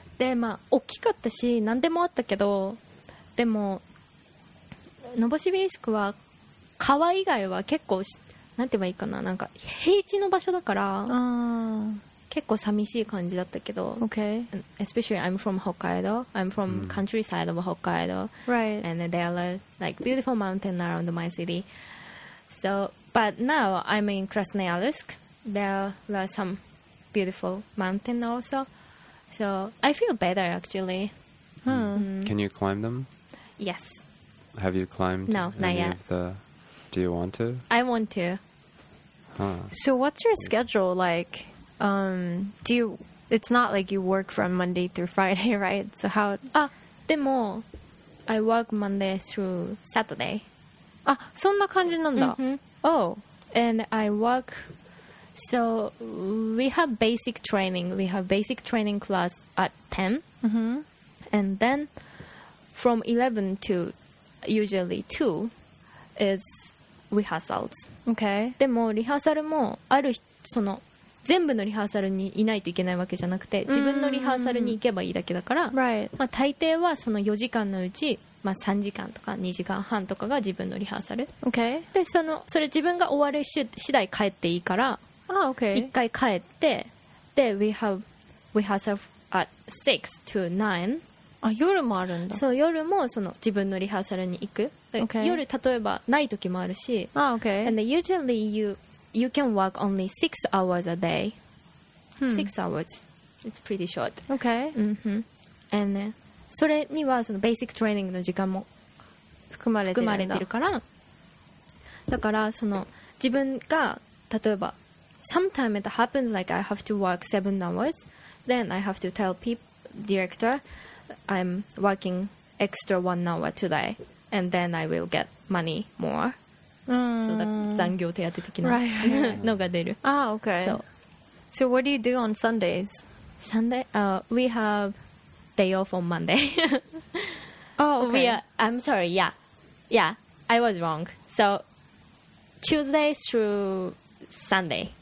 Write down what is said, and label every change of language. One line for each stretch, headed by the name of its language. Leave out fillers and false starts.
Japanese: でまあ大きかったし何でもあったけど、でもノボシビリスクは川以外は結構なんて言えばいいかな、なんか平地の場所だから結構寂しい感じだったけど、
English: okay. especially I'm from Hokkaido. I'm from、mm. countryside of Hokkaido. Right. And there are like beautiful mountains around my city. So, but now I'm in Krasnoyarsk. There are some beautiful mountains also. So I feel better actually.、 Hmm. Can you climb them? Yes. Have you climbed? No, not yet. The... Do you want to? I want to.、 Huh. So what's your schedule like? Do you, it's not like you work from Monday through Friday, right? So how... Ah,
Japanese: でも
English: I work Monday through Saturday.
Japanese: Ah, そんな感じなんだ。 Mm-hmm. Oh.
English: And I work... So we have basic training. We have basic training class at 10. Mm-hmm. And then from 11 to usually 2 is rehearsals. Okay.
Japanese: でも rehearsal もある その全部のリハーサルにいないといけないわけじゃなくて自分のリハーサルに行けばいいだけだから、
English: right.
Japanese: まあ、大抵はその4時間のうち、まあ、3時間とか2時間半とかが自分のリハーサル、
English: okay.
Japanese: でそのそれ自分が終わる次第帰っていいから、
English: ah, okay.
Japanese: 1回帰ってで
English: we have rehearsal at 6 to 9
Japanese: あ夜もあるんだそう夜もその自分のリハーサルに行く、
English: okay.
Japanese: 夜例えばない時もあるし、
English: ah, okay. and usually you can work only 6 hours a day. 6 hours. It's pretty short. Okay. Mm-hmm. And
Japanese: それにはそのベーシックトレーニングの時間も含まれてるから。だからその自分が例えば
English: sometimes it happens like I have to work 7 hours. Then I have to tell director I'm working extra 1 hour today. And then I will get money more.
Japanese: 残業手当的なのが出る。
English: Ah, okay. So what do you do on Sundays? We have day off on Monday. Oh, okay. I'm sorry, yeah. Yeah, I was wrong. So Tuesdays through Sunday.